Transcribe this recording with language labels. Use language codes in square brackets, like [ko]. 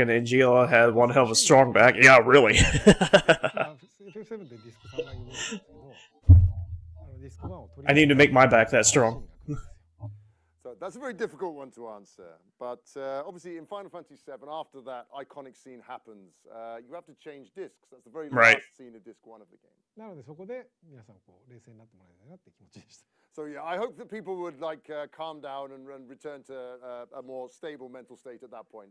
[en] and NGL had one hell of a strong back. Yeah, really. I need to make my back that strong. So that's a very difficult one to answer. But obviously in Final Fantasy VII, after that iconic scene happens, you have to change discs. That's the very last right. scene of disc one of the game. [ja] なのでそこで皆さんこう冷静になってもらえたらなって気持ちでした。 [en] So yeah, I hope that people would like calm down and return to a more stable mental state at that point.